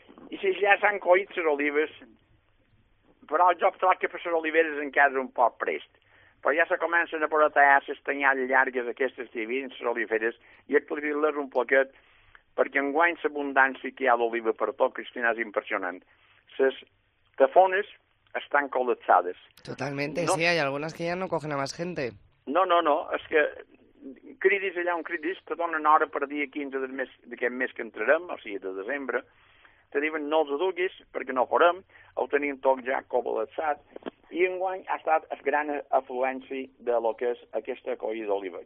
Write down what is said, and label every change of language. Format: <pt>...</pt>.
<ca>I si ja s'han coït les olives, però jo trobo que per les oliveres encara és un poc prest, però ja se comencen a poder tallar les tanyades llargues aquestes que hi havia les oliveres i aclarir-les un poquet, perquè enguany l'abundància que hi ha d'oliva per tot, Cristina, és impressionant. Les tafones estan col·lapsades.</ca> <es>Totalmente, no, sí, hay algunas que ya no cogen a más gente.</es> <ca>No, és que cridis allà on cridis, te donen hora per dia 15 del mes, d'aquest mes que entrarem, o sigui, de desembre, te diuen no els aduguis, perquè no farem, ho tenim tot ja col·lapsat, i enguany ha estat el gran afluenci de lo que és aquesta colla d'oliva.</ca>